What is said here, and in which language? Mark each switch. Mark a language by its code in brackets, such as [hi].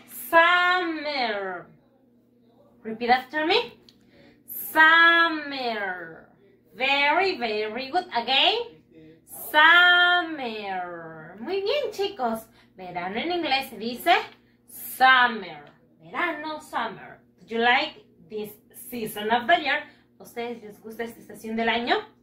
[en] Summer. Repeat after me. Summer. Very, very good. Again. [es] Summer. Muy bien, chicos. Verano en inglés se dice summer. Verano, summer. [en] Do you like this season of the year? [es] ¿Ustedes les gusta esta estación del año?